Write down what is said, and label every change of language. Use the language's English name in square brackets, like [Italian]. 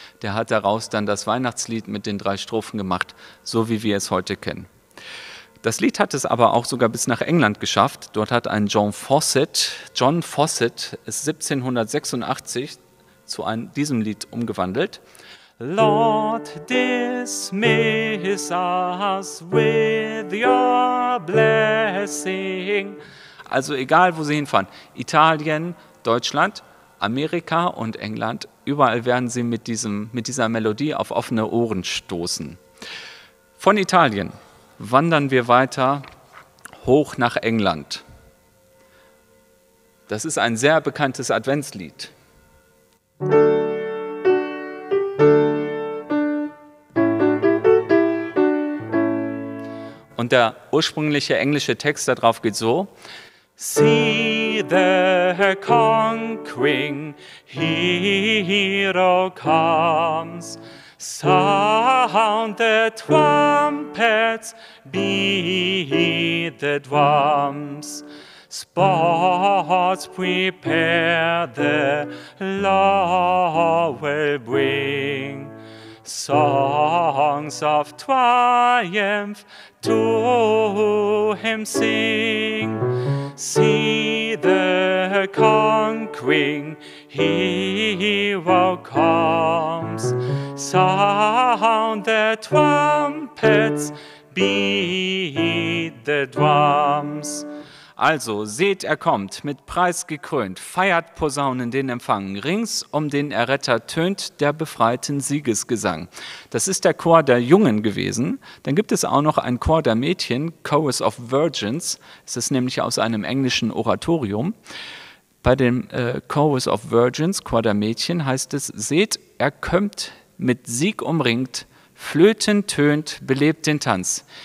[German] Der hat daraus dann das Weihnachtslied mit den drei Strophen gemacht, so wie wir es heute kennen. Das Lied hat es aber auch sogar bis nach England geschafft. Dort hat ein John Fawcett es 1786 zu diesem Lied umgewandelt. [English] Lord, dismiss us with your blessing. [German] Also egal, wo Sie hinfahren, Italien, Deutschland, Amerika und England, überall werden Sie mit dieser Melodie auf offene Ohren stoßen. Von Italien wandern wir weiter hoch nach England. Das ist ein sehr bekanntes Adventslied. Und der ursprüngliche englische Text darauf geht so: [English] See the conquering hero comes, sound the trumpets, beat the drums, spots prepare the Lord will bring, songs of triumph to him sing. See the conquering hero comes, sound the trumpets, beat the drums. [German] Also seht, er kommt, mit Preis gekrönt, feiert Posaunen den Empfang, rings um den Erretter tönt der befreiten Siegesgesang. Das ist der Chor der Jungen gewesen. Dann gibt es auch noch einen Chor der Mädchen, Chorus of Virgins. Es ist nämlich aus einem englischen Oratorium. Bei dem Chorus of Virgins, Chor der Mädchen, heißt es: Seht, er kommt, mit Sieg umringt, Flöten tönt, belebt den Tanz.